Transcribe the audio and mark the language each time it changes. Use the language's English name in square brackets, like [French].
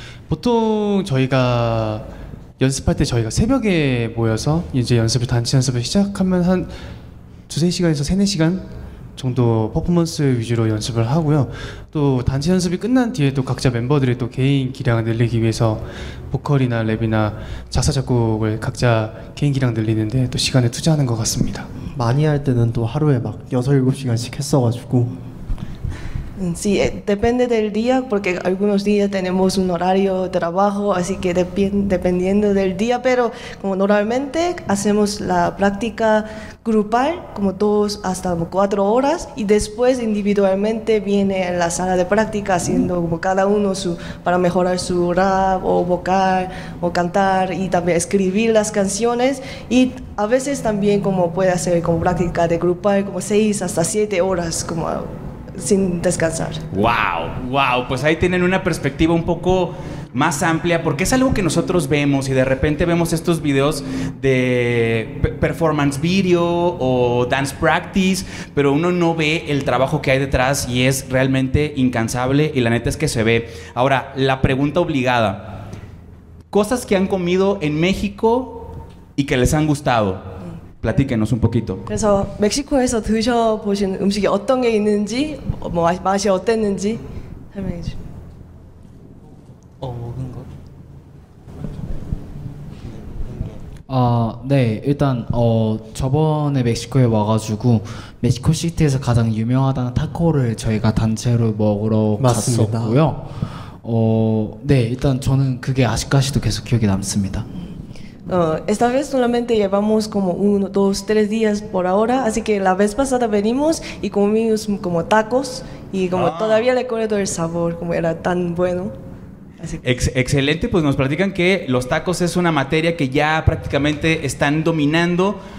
[Korean] 보통 저희가 연습할 때 저희가 새벽에 모여서 이제 연습을 단체 연습을 시작하면 한 두세 시간에서 세네 시간 정도 퍼포먼스 위주로 연습을 하고요. 또 단체 연습이 끝난 뒤에 또 각자 멤버들의 또 개인 기량을 늘리기 위해서 보컬이나 랩이나 작사 작곡을 각자 개인 기량 늘리는데 또 시간을 투자하는 것 같습니다. 많이 할 때는 또 하루에 막 6, 7시간씩 했어가지고 [Spanish] Sí, depende del día, porque algunos días tenemos un horario de trabajo, así que dependiendo del día, pero como normalmente hacemos la práctica grupal, como 2 hasta 4 horas, y después individualmente viene a la sala de práctica haciendo como cada uno su, para mejorar su rap o vocal o cantar y también escribir las canciones. Y a veces también como puede hacer como práctica de grupal, como 6 hasta 7 horas, como sin descansar. Wow, wow, pues ahí tienen una perspectiva un poco más amplia porque es algo que nosotros vemos y de repente vemos estos videos de performance video o dance practice, pero uno no ve el trabajo que hay detrás y es realmente incansable y la neta es que se ve. Ahora, la pregunta obligada. Cosas que han comido en México y que les han gustado. Platíquenos un poquito. [Korean] 그래서 멕시코에서 드셔보신 음식이 어떤 게 있는지, 뭐 맛이 어땠는지 설명해 주세요. 먹은 거? 네, 일단 저번에 멕시코에 와가지고 멕시코 시티에서 가장 유명하다는 타코를 저희가 단체로 먹으러 맞습니다. 갔었고요. 네, 일단 저는 그게 아직까지도 계속 기억에 남습니다. [Spanish] Esta vez solamente llevamos como 1, 2, 3 días por ahora, así que la vez pasada venimos y comimos como tacos y como todavía recuerdo el sabor, como era tan bueno. Excelente, pues nos platican que los tacos es una materia que ya prácticamente están dominando.